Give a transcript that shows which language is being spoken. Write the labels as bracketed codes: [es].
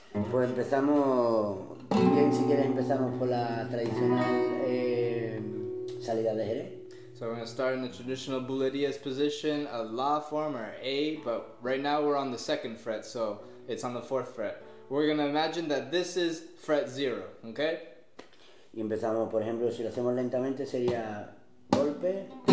[es] Pues empezamos, bien, si quieres empezamos por la tradicional salida de Jerez. [en] So we're going to start in the traditional bulerias position, a la form or A, but right now we're on the second fret, so it's on the fourth fret. We're going to imagine that this is fret zero, okay? [es] Y empezamos, por ejemplo, si lo hacemos lentamente sería golpe.